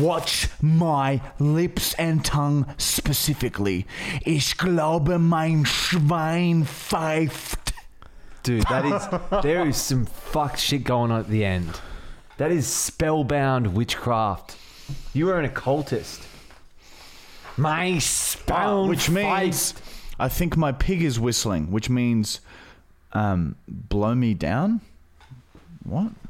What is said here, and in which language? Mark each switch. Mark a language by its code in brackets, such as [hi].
[en] Watch my lips and tongue specifically. [de] Ich glaube, mein Schwein pfeift. [en] Dude, there is some fucked shit going on at the end. That is spellbound witchcraft. You are an occultist. My spell, which means I think my pig is whistling, which means blow me down. What?